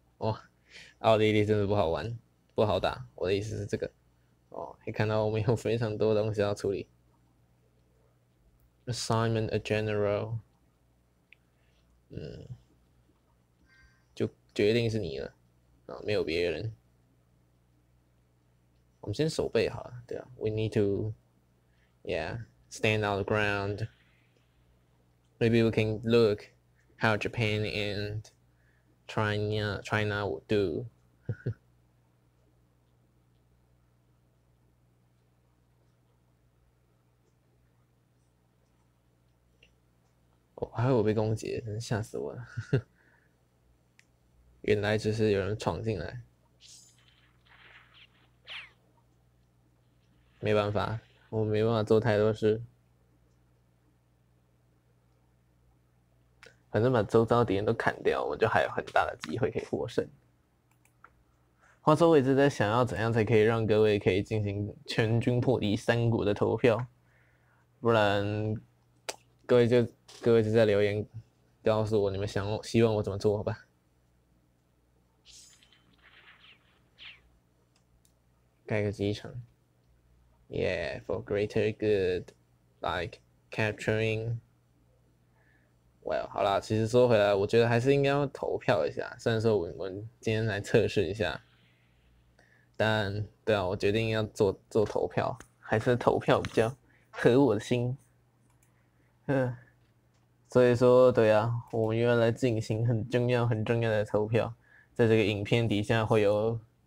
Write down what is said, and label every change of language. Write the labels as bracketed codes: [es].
[zh] 哇、哦，奥地利真的不好玩，不好打。我的意思是这个。哦，可以看到我们有非常多东西要处理。 [en] Assignment a general。 [zh] 决定是你了，啊，没有别人。我们先守备好了，对啊， [en] We need to stand our ground. Maybe we can look how Japan and China would do. [zh] 哦，还有我被攻击，真是吓死我了！原来就是有人闯进来，没办法，我没办法做太多事。反正把周遭敌人都砍掉，我就还有很大的机会可以获胜。话说，我一直在想要怎样才可以让各位可以进行全军破敌三国的投票，不然各位就在留言告诉我你们想希望我怎么做吧。盖个机场， [en] Yeah, for greater good, like capturing. Well, [zh] 好啦，其实说回来，我觉得还是应该要投票一下。虽然说我们今天来测试一下，但对啊，我决定要做投票，还是投票比较合我的心。所以说，对啊，我们又要来进行很重要的投票，在这个影片底下会有。